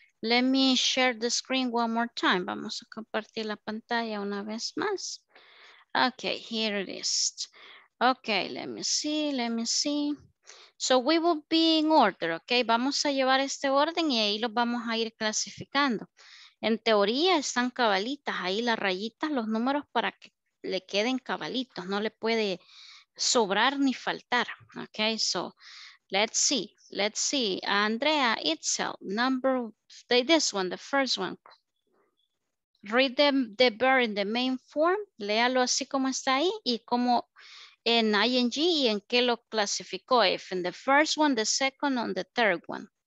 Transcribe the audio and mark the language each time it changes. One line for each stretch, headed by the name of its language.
English: Let me share the screen one more time.
Spanish: Vamos a compartir la pantalla una vez más.
English: Okay, here it is. Okay, let me see, let me see. So we will be in order, okay?
Spanish: Vamos a llevar este orden y ahí los vamos a ir clasificando. En teoría están cabalitas, ahí las rayitas, los números para que le queden cabalitos, no le puede sobrar ni faltar.
English: Okay, so let's see, Andrea itself, number, this one, the first one. Read the verb in the main form,
Spanish: léalo así como está ahí y como en ING y en qué lo clasificó,
English: if in the first one, the second, or the third one.